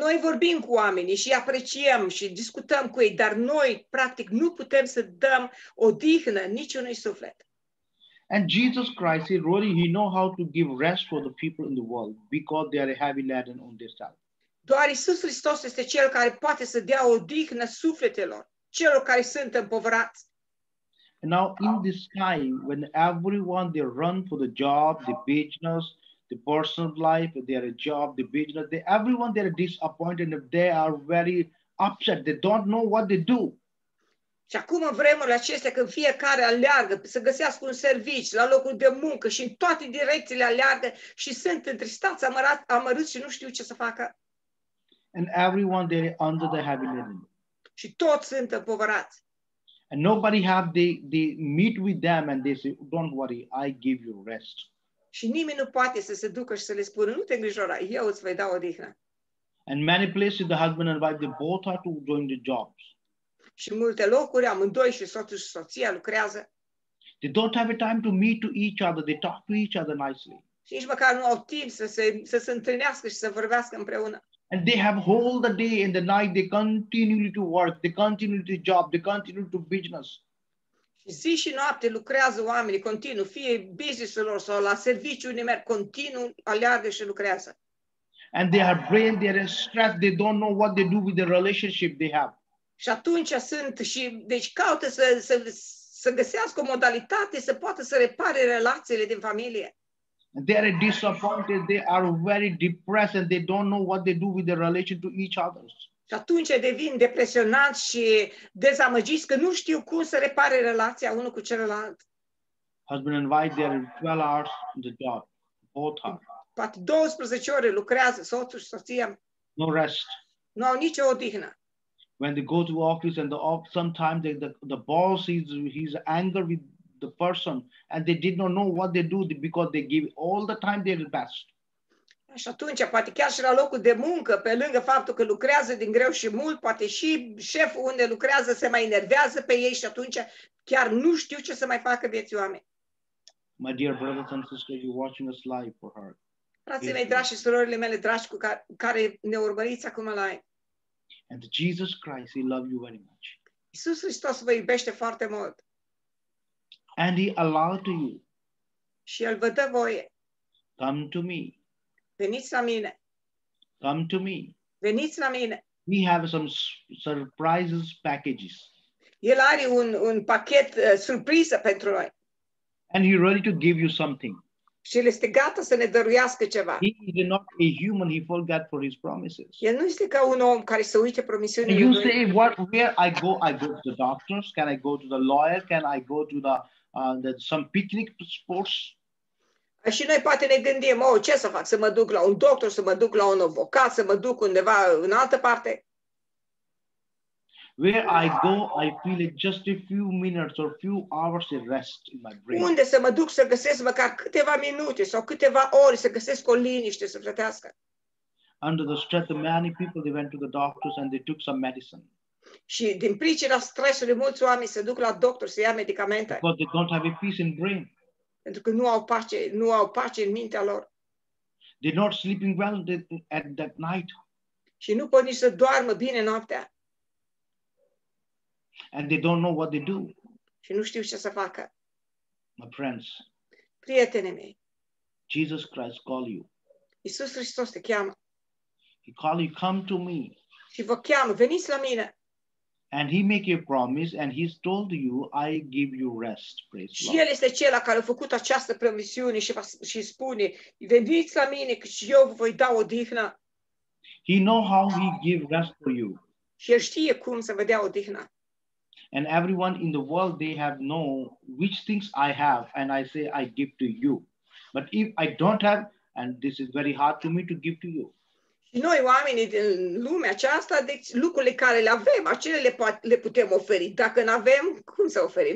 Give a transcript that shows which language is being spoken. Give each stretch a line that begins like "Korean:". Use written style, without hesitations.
Romanian: Noi vorbim cu oamenii și apreciem și discutăm cu ei, dar noi practic nu putem să dăm odihnă niciunui suflet.
English: And Jesus Christ, he really, he know how to give rest for the people in the world because they are heavy laden on their soul.
Romanian: Doar Iisus Hristos este cel care poate să dea odihnă sufletelor, celor care sunt împovărați.
English: And now in this time, when everyone they run for the job, the business, the personal life, their job, the business, everyone they are disappointed, they are very upset, they don't know what they do.
Romanian: Și acum în vremurile acestea, când fiecare aleargă să găsească un serviciu la locul de muncă și în toate direcțiile aleargă și sunt întristați, amărâți și nu știu ce să facă.
English: And everyone they are under the heavy laden.
Romanian: Și toți sunt împovărați.
English: And nobody have the meet with them and they say, don't worry, I give you rest.
Romanian: Și nimeni nu poate să se ducă și să le spună, nu te îngrijora, eu îți voi da odihnă.
English: And many places the husband and wife, they both have to join the jobs.
Romanian: Și în multe locuri, amândoi și soțul și soția lucrează.
English: They don't have a time to meet to each other, they talk to each other nicely.
Romanian: Și nici măcar nu au timp să se întâlnească și să vorbească împreună.
English: And they have whole the day and the night, they continue to work, they continue to job, they continue to business.
Romanian: Zi și noapte lucrează oamenii continuu, fie business-ul lor sau la serviciu, unde merg continuu, aleargă și lucrează.
English: And they are brain, they are stressed, they don't know what they do with the relationship they have.
Romanian: Și atunci sunt și deci caută să găsească o modalitate să poată să repare relațiile din familie.
English: They are disappointed, they are very depressed and they don't know what they do with their relation to each other.
Romanian: Și atunci devin depresionați și dezamăgiți că nu știu cum să repare relația unul cu celălalt.
English: Husband and wife, they are 12 hours in the job, both are.
Romanian: Poate 12 ore lucrează soțul și soția.
English: No rest.
Romanian: Nu au nicio odihnă.
English: When they go to office and sometimes the boss is his anger with the person and they did not know what they do because they give all the time their best.
Romanian: Și atunci, poate chiar și la locul de muncă, pe lângă faptul că lucrează din greu și mult, poate și șeful unde lucrează se mai enervează pe ei și atunci chiar nu știu ce să mai facă vieții oameni.
English: My dear brothers and sisters, you're watching us live for her.
Romanian: Frații mei dragi și surorile mele dragi cu care ne urmăriți acum live.
English: And Jesus Christ, he loves you very much.
Romanian: Iisus Hristos vă iubește foarte mult.
English: And he allowed to you.
Romanian: Și el vă dă voie.
English: Come to me.
Romanian: Veniți la mine.
English: Come to me.
Romanian: Veniți la mine.
English: We have some surprises packages.
Romanian: El are un pachet surpriză pentru noi.
English: And he ready to give you something.
Romanian: Și el este gata să ne dăruiască ceva.
English: He is not a human. He forgot for his promises.
Romanian: El nu este ca un om care să uite promisiunile lui.
English: You say, what? Where I go? I go to the doctors. Can I go to the lawyer? Can I go to the some picnic sports?
Romanian: Și noi poate ne gândim, ce să fac? Să mă duc la un doctor, să mă duc la un avocat, să mă duc undeva în altă parte?
English: Where I go, I feel just a few minutes or few hours of rest in my brain.
Romanian: Unde să mă duc să găsesc măcar câteva minute sau câteva ore să găsesc o liniște să plătească?
English: Under the stress of many people, they went to the doctors and they took some medicine.
Romanian: Și din pricina stresului, mulți oameni se duc la doctor să ia medicamente.
English: But they don't have a peace in brain.
Romanian: Pentru că nu au pace în mintea lor.
English: They're not sleeping well at that night.
Romanian: Și nu pot nici să doarmă bine noaptea.
English: And they don't know what they do.
Romanian: Și nu știu ce să facă.
English: My friends.
Romanian: Prietene mei.
English: Jesus Christ call you.
Romanian: Iisus Hristos te cheamă.
English: He called you, come to me.
Romanian: Și vă cheamă, veniți la mine.
English: And he make a promise and he's told you, I give you rest, praise God.
Romanian: Și el este cel care a făcut această promisiune și și spune, veniți la mine că și eu vă voi da odihnă.
English: He know how he give rest for you.
Romanian: Și el știe cum să vă dea odihnă.
English: And everyone in the world, they have known which things I have and I say I give to you. But if I don't have, and this is very hard to me to give to you.
Romanian: Noi oamenii din lumea aceasta, deci lucrurile care le avem, acele le putem oferi. Dacă nu avem, cum să oferim?